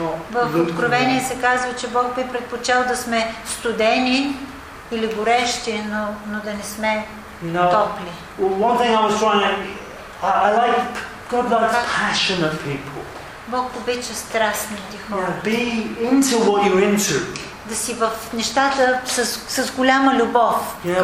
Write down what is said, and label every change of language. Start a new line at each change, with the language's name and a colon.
Bulgarian: В Откровение се казва, че Бог би предпочел да сме студени или горещи, но да не сме топли.
English: One thing I was trying to, I like God likes passionate people.
Bulgarian: Бог обича страстните хора.
English: Be into what you're into.
Bulgarian: Да си в нещата с голяма любов.